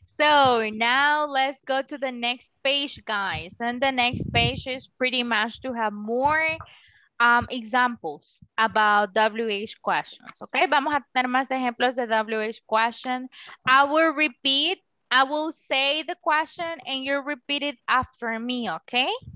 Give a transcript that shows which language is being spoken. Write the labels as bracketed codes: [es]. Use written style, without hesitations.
[en] So now let's go to the next page, guys. And the next page is pretty much to have more examples about WH questions, okay? [es] Vamos a tener más ejemplos de WH questions. [en] I will repeat, I will say the question and you repeat it after me, okay?